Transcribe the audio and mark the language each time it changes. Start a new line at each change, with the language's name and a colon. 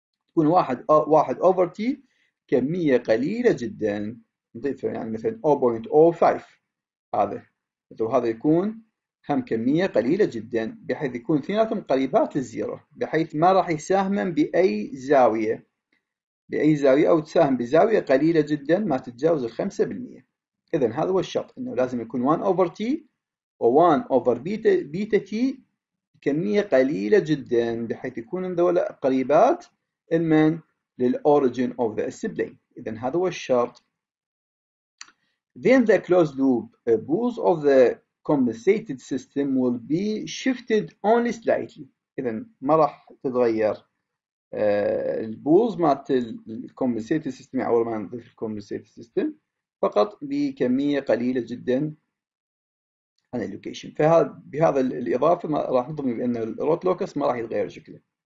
Arabic: تكون واحد واحد over t كمية قليلة جدا، نضيف يعني مثلا 0.05 هذا، وهذا يكون هم كمية قليلة جدا بحيث يكون اثنيناتهم قريبات للزيرو، بحيث ما راح يساهمن بأي زاوية أو تساهم بزاوية قليلة جدا ما تتجاوز 5%. إذا هذا هو الشرط، إنه لازم يكون 1 over t و 1 over beta t كمية قليلة جدا بحيث يكون ذولا قريبات لمن للأوريجين أوف ذا سيبلينج. إذن هذا هو الشرط.
English: Then the closed loop both of the compensated system will be shifted only slightly.
Arabic: إذن ما راح تتغير البوز مالت الكومبنسيتد سيستم، اول ما نضيف الكومبنسيتد سيستم فقط بكميه قليله جدا عن اللوكيشن. فبهذا الاضافه ما راح نضمن بان الروت لوكس ما راح يتغير شكله.